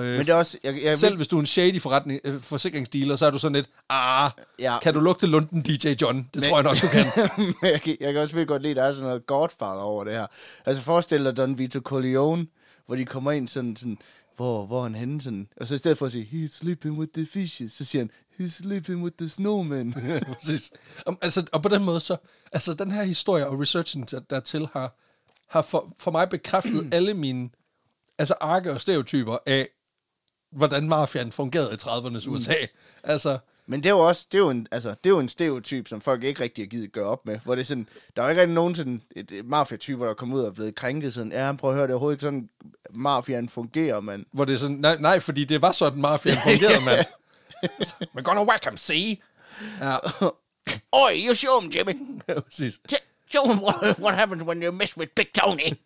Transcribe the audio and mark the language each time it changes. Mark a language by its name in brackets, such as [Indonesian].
[Danish] Men det er også, jeg hvis du er en shady forsikringsdealer, så er du sådan lidt, kan du lugte lunden, DJ John? Tror jeg nok, du kan. jeg kan også virkelig godt lide, at der er sådan noget godfather over det her. Altså forestil dig Don Vito Corleone, hvor de kommer ind sådan hvor er han henne? Sådan. Og så i stedet for at sige, [English] he's sleeping with the fishes, [Danish] så siger han, [English] he's sleeping with the snowman. [Danish] Præcis. Og på den måde så, altså den her historie og researchen dertil har for mig bekræftet alle mine, altså arke og stereotyper af, hvordan mafian fungerede i 30'ernes USA. Mm. Altså, men det er jo også, det er jo en stereotyp, som folk ikke rigtig har givet at gøre op med, hvor det er sådan, der er ikke rigtig nogen sådan et mafiatyper, der kommer ud og er blevet krænket sådan, ja, prøv at høre, det er overhovedet ikke sådan, mafian fungerer, mand. Hvor det er sådan, nej, fordi det var sådan, mafian fungerede, mand. [English] We're gonna whack him, see? [Danish] Ja. [English] Oi, you show him, Jimmy. [Danish] Præcis. [English] Show him what happens when you mess with Big Tony.